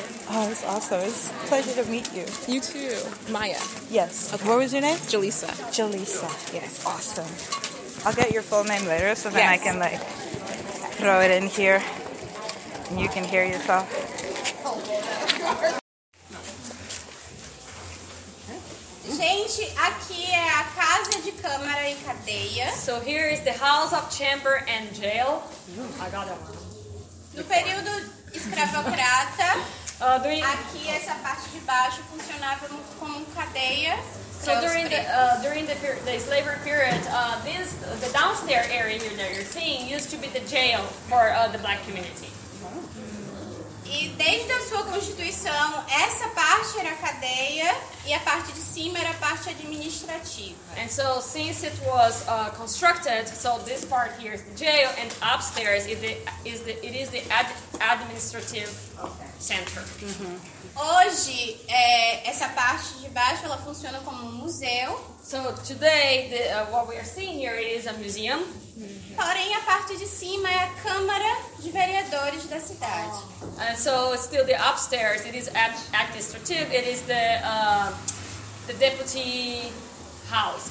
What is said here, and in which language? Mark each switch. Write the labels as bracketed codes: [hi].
[en] Oh, it's awesome. It's a pleasure to meet you. You too. Maya. Yes. Okay. What was your name? Jalessah. Jalessah. Yes. Awesome. I'll get your full name later so then yes. I can, like, throw it in here and you can hear yourself. [pt] Gente, aqui é a casa de câmara e cadeia. [en] So here is the house of chamber and jail. I got it. [pt] No período escravocrata, aqui essa parte de baixo funcionava como cadeia. [en] So during the slavery period, the downstairs area here that you're seeing used to be the jail for the black community. [pt] E desde a sua constituição, essa parte era a cadeia e a parte de cima era a parte administrativa. [en] And so since it was constructed, so this part here is the jail and upstairs is the administrative center. Mm-hmm. [pt] Hoje, essa parte de baixo ela funciona como museu. [en] So today, what we are seeing here is a museum. [pt] Porém, a parte de cima é a Câmara de Vereadores da cidade. [en] And so, still the upstairs, it is administrative, it is the deputy house.